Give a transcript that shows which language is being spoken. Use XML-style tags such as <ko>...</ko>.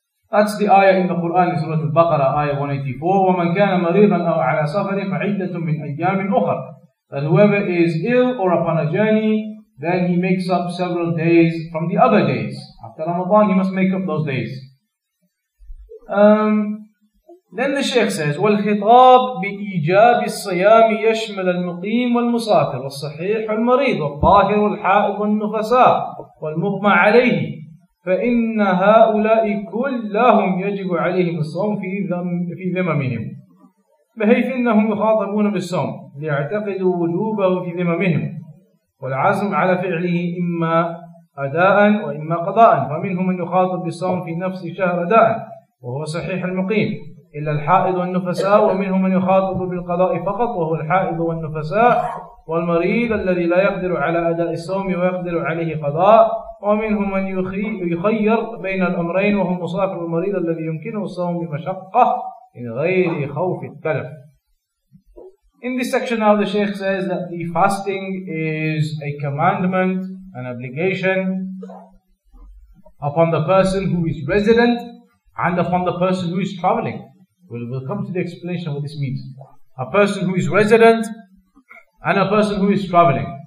<en>That's the ayah in the Quran, in Surah Al-Baqarah, ayah 184.</en> <ar>وَمَنْ كَانَ مَرِيضًا أَوْ عَلَى سَفَرٍ فَعِدَّةٌ مِنْ أَيَّامٍ أُخَرٍ.</ar> <en>That whoever is ill or upon a journey, then he makes up several days from the other days. After Ramadan, he must make up those days. Then the Shaykh says,</en> <ar>والخطاب بإيجاب الصيام يشمل المقيم والمسافر والصحيح والمريض والطاهر والحائض والنفساء والمغمى عليه فإن هؤلاء كلهم يجب عليهم الصوم في ذممهم بحيث إنهم يخاطبون بالصوم ليعتقدوا وجوبه في ذممهم والعزم على فعله إما أداء وإما قضاء فمنهم من يخاطب بالصوم في نفس شهر أداء وهو صحيح المقيم إلا الحائض والنفساء ومنهم من يخاطب بالقضاء فقط وهو الحائض والنفساء والمريض الذي لا يقدر على أداء الصوم ويقدر عليه قضاء ومنهم من يخير بين الأمرين وهو المسافر المريض الذي يمكنه الصوم بمشقة من غير خوف التلف.</ar> <en>In this section now, the Shaykh says that the fasting is a commandment, an obligation upon the person who is resident and upon the person who is traveling. We'll come to the explanation of what this means. A person who is resident and a person who is traveling.</en>